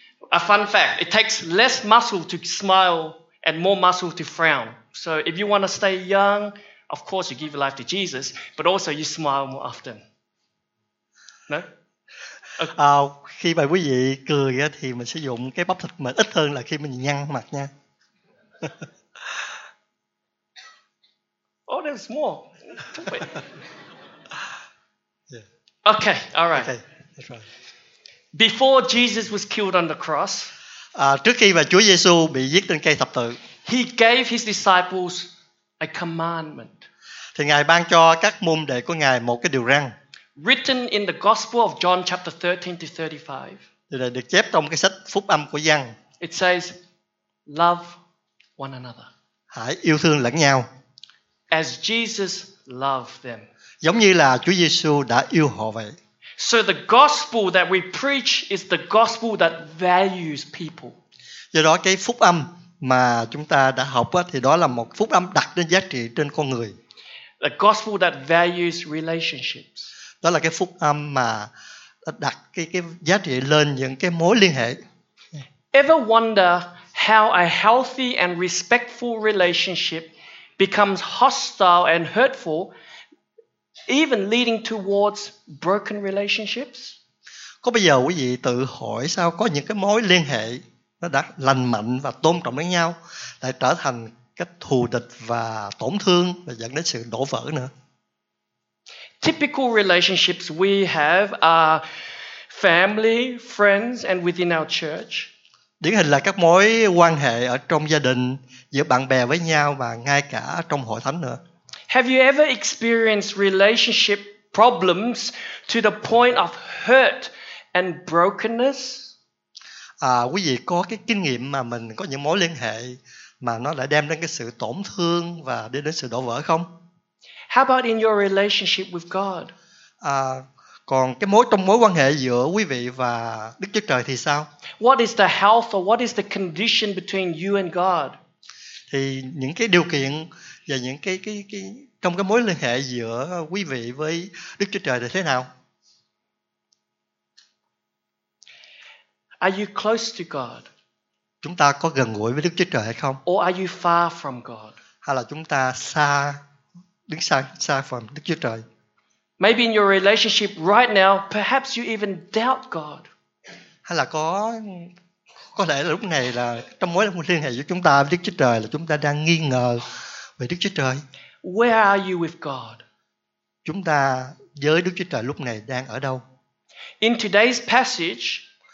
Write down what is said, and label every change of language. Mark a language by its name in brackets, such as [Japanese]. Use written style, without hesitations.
[English] A fun fact, it takes less muscle to smile and more muscle to frown. So if you want to stay young, of course you give your life to Jesus, but also you smile more often. No? Okay. [Vietnamese] Khi mà quý vị cười thì mình sử dụng cái bắp thịt mình ít hơn là khi mình nhăn mặt nha. [English] Oh, there's more. Yeah. Okay, all right. Okay, that's right. Before Jesus was killed on the cross, [Vietnamese] trước khi mà Chúa Giêsu bị giết trên cây thập tự, [English] he gave his disciples a commandment. [Vietnamese] Thì Ngài ban cho các môn đệ của Ngài một cái điều răn. [English] Written in the Gospel of John chapter 13-35. [Vietnamese] Thì được chép trong cái sách Phúc Âm của Giăng. [English] It says, love one another. [Vietnamese] Hãy yêu thương lẫn nhau. [English] As Jesus loved them. [Vietnamese] Giống như là Chúa Giêsu đã yêu họ vậy. [English] So the gospel that we preach is the gospel that values people. [Vietnamese] Do đó cái phúc âm mà chúng ta đã học thì đó là một phúc âm đặt đến giá trị trên con người. [English] The gospel that values relationships. [Vietnamese] Đó là cái phúc âm mà đặt cái giá trị lên những cái mối liên hệ. [English] Ever wonder how a healthy and respectful relationship becomes hostile and hurtful, even leading towards broken relationships? [Vietnamese] Có bao giờ quý vị tự hỏi sao có những cái mối liên hệ nó đã lành mạnh và tôn trọng lẫn nhau lại trở thành cái thù địch và tổn thương và dẫn đến sự đổ vỡ nữa? [English] typical relationships we have are family, friends, and within our church. [Vietnamese] Điển hình là các mối quan hệ ở trong gia đình, giữa bạn bè với nhau và ngay cả trong hội thánh nữa. [English] Have you ever experienced relationship problems to the point of hurt and brokenness? [Vietnamese] À, quý vị có cái kinh nghiệm mà mình có những mối liên hệ mà nó đã đem đến cái sự tổn thương và đi đến sự đổ vỡ không? [English] How about in your relationship with God? [Vietnamese] À, còn cái mối trong mối quan hệ giữa quý vị và Đức Chúa Trời thì sao? [English] What is the health or what is the condition between you and God? [Vietnamese] Thì những cái điều kiện và những cái trong cái mối liên hệ giữa quý vị với Đức Chúa Trời thì thế nào? [English] Are you close to God? [Vietnamese] Chúng ta có gần gũi với Đức Chúa Trời hay không? [English] Or are you far from God? [Vietnamese] Hay là chúng ta xa, đứng xa, xa [English] from [Vietnamese] Đức Chúa Trời? [English] Maybe in your relationship right now, perhaps you even doubt God. [Vietnamese] Hay là có lẽ là lúc này là trong mối liên hệ giữa chúng ta với Đức Chúa Trời là chúng ta đang nghi ngờ về Đức Chúa Trời. [English] Where are you with God? [Vietnamese] Chúng ta với Đức Chúa Trời lúc này đang ở đâu? [English] In today's passage,